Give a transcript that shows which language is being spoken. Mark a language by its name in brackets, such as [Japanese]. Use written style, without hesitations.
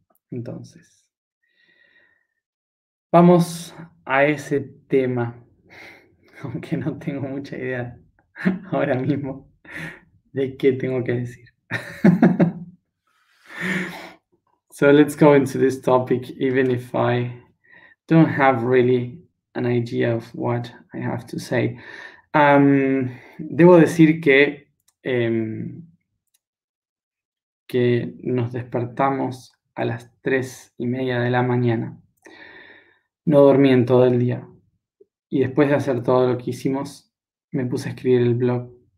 [Spanish] Entonces, vamos a ese tema, aunque no tengo mucha idea ahora mismo de qué tengo que decir. [English] So let's go into this topic, even if I don't have really an idea of what I have to say. [Spanish] Debo decir que nos despertamos a las 3:30 de la mañana. No dormí en todo el día. Y después de hacer todo lo que hicimos, me puse a escribir el blog.